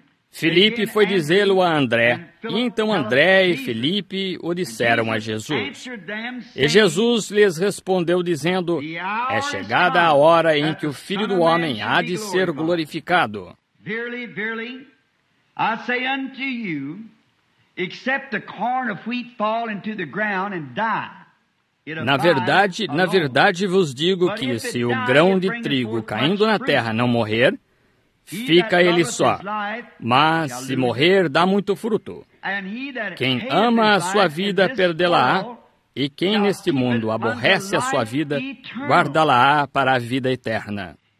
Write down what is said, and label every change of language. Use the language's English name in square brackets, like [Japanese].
[Portuguese] Filipe foi dizê-lo a André, e então André e Filipe o disseram a Jesus. E Jesus lhes respondeu, dizendo: é chegada a hora em que o Filho do Homem há de ser glorificado. [English] Verily, verily, I say unto you, except the corn of wheat fall into the ground and die. [Portuguese] Na verdade vos digo que se o grão de trigo caindo na terra não morrer, fica ele só, mas se morrer, dá muito fruto. Quem ama a sua vida, perdê-la-á, e quem neste mundo aborrece a sua vida, guardá-la-á para a vida eterna.